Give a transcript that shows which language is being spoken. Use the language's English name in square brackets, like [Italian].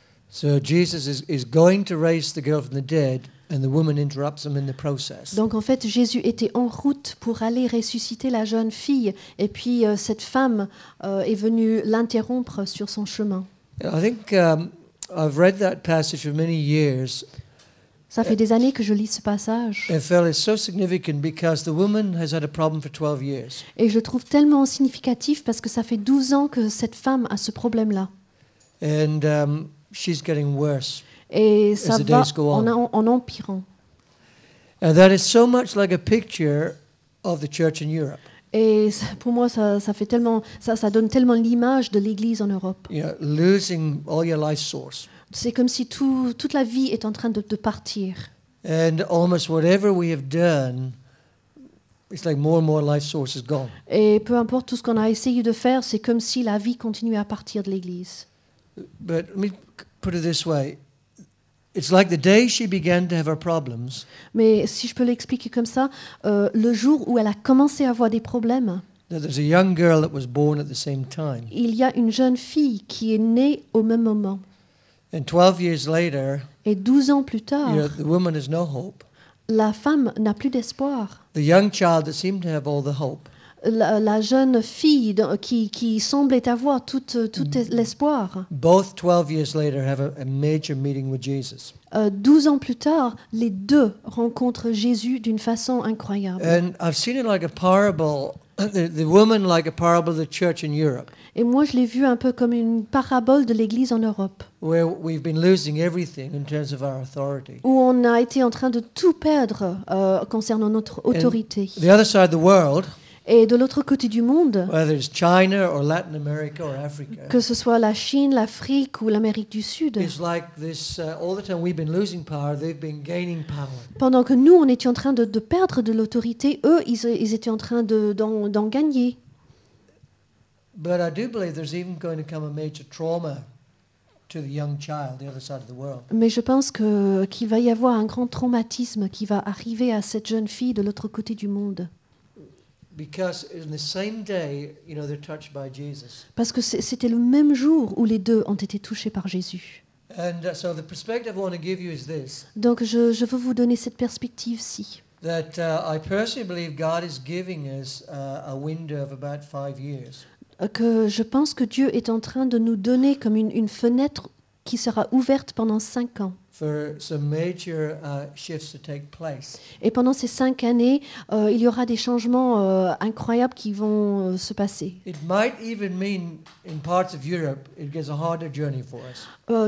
[English] So Jesus is going to raise the girl from the dead, and the woman interrupts him in the process. [French] Donc en fait, Jésus était en route pour aller ressusciter la jeune fille, et puis cette femme est venue l'interrompre sur son chemin. [English] I think I've read that passage for many years. [French] Ça fait des années que je lis ce passage. [English] It felt so significant because the woman has had a problem for 12 years. [French] Et je trouve tellement significatif parce que ça fait 12 ans que cette femme a ce problème là. [English] And she's getting worse. [French] Et ça [English] as the days go on. [French] En empirant. [English] And that is so much like a picture of the church in Europe. [French] Et pour moi ça fait tellement ça donne tellement l'image de l'église en Europe. [English] Yeah, losing all your life source. [French] C'est comme si toute la vie est en train de partir. [English] And almost whatever we have done, it's like more and more life source is gone. [French] Et peu importe tout ce qu'on a essayé de faire, c'est comme si la vie continue à partir de l'église. [English] But let me put it this way. It's like the day she began to have her problems. [French] Mais si je peux l'expliquer comme ça, le jour où elle a commencé à avoir des problèmes. [English] That there's a young girl that was born at the same time. [French] Il y a une jeune fille qui est née au même moment. [English] And 12 years later, [French] et 12 ans plus tard, [English] you know, the woman has no hope. [French] La femme n'a plus d'espoir. [English] The young child that seemed to have all the hope. [French] La jeune fille qui semblait avoir tout l'espoir. [English] Both 12 years later have a major meeting with Jesus. [French] 12 ans plus tard, les deux rencontrent Jésus d'une façon incroyable. [English] And I've seen it like a parable. The woman like a parable of the church in Europe. [French] Et moi, je l'ai vu un peu comme une parabole de l'Église en Europe. [English] Where we've been losing everything in terms of our authority. [French] Où on a été en train de tout perdre concernant notre autorité. [English] And the other side of the world. [French] Et de l'autre côté du monde. [English] Whether it's China or Latin America or Africa. [French] Que ce soit la Chine, l'Afrique ou l'Amérique du Sud. [English] It's like this. All the time we've been losing power, they've been gaining power. [French] Pendant que nous, on était en train de perdre de l'autorité, eux, ils étaient en train d'en gagner. [English] But I do believe there's even going to come a major trauma to the young child, the other side of the world. [French] Mais je pense qu'il va y avoir un grand traumatisme qui va arriver à cette jeune fille de l'autre côté du monde. [English] Because in the same day, you know, they're touched by Jesus. [French] Parce que c'était le même jour où les deux ont été touchés par Jésus. [English] And so the perspective I want to give you is this. [French] Donc je veux vous donner cette perspective-ci. [English] That I personally believe God is giving us a window of about 5 years. [French] Que je pense que Dieu est en train de nous donner comme une fenêtre qui sera ouverte pendant 5 ans. [English] For some major, shifts to take place. [French] Et pendant ces 5 années, il y aura des changements incroyables qui vont se passer. [English] It might even mean in parts of Europe, it gets a harder journey for us.